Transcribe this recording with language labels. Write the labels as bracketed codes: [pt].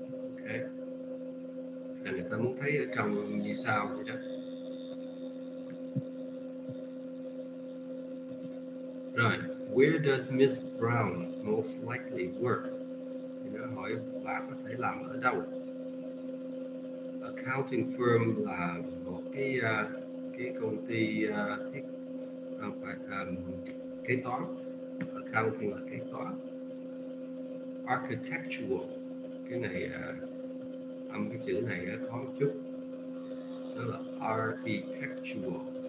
[vi] Ok, là người ta muốn thấy ở trong như sao vậy đó. [en] Rồi, where does Miss Brown most likely work? [vi] Thì nó hỏi bà có thể làm ở đâu. Accounting firm là một cái công ty thiết không phải kế toán. Accounting là kế toán. Architectural, cái này âm cái chữ này khó một chút, đó là architectural.